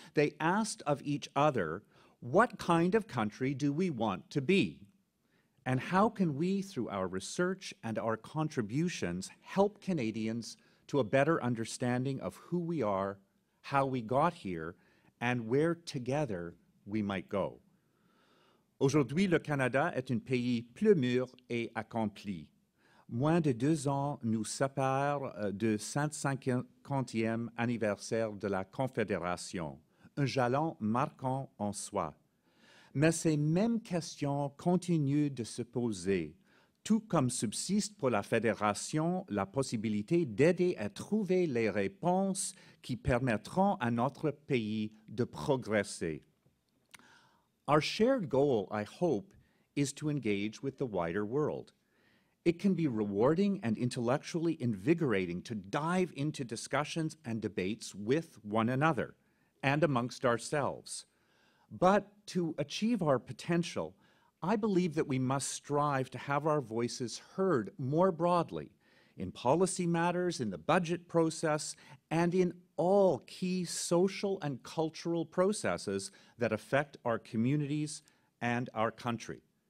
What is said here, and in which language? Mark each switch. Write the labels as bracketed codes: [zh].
[en] They asked of each other, what kind of country do we want to be? And how can we, through our research and our contributions, help Canadians to a better understanding of who we are, how we got here, and where together we might go? [fr] Aujourd'hui, le Canada est un pays plus mûr et accompli. Moins de deux ans nous séparent du 150e anniversaire de la Confédération, un jalon marquant en soi. Mais ces mêmes questions continuent de se poser, tout comme subsiste pour la Fédération la possibilité d'aider à trouver les réponses qui permettront à notre pays de progresser. [en] Our shared goal, I hope, is to engage with the wider world. It can be rewarding and intellectually invigorating to dive into discussions and debates with one another and amongst ourselves. But to achieve our potential, I believe that we must strive to have our voices heard more broadly in policy matters, in the budget process, and in all key social and cultural processes that affect our communities and our country.